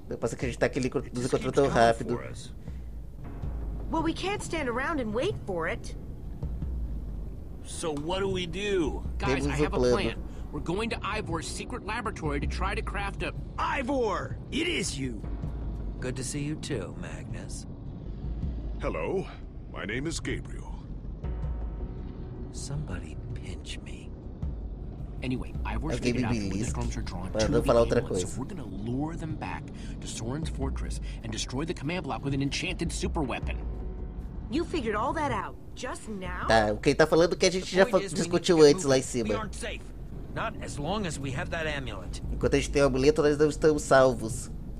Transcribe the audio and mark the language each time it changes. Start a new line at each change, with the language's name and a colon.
Portuguese: Não posso acreditar que ele nos encontrou tão rápido.
English: Well, we can't stand around and wait for it. So what do we do? Guys, I have a plan. We're going to Ivor's secret laboratory to try to craft a... Ivor! It is you! Good to see you too, Magnus. Hello, my name is Gabriel. Somebody pinch me. Anyway, Ivor's figured out that the storms are drawn to the amulet, so we're gonna lure them back to Soren's fortress and destroy the command block with an enchanted super weapon. You figured all that out just now?
Portuguese: Tá, o que ele tá falando é que a gente já discutiu antes lá em cima.
English: Not as long as we have that amulet.
Portuguese: Enquanto a gente tem o amuleto, nós não estamos salvos.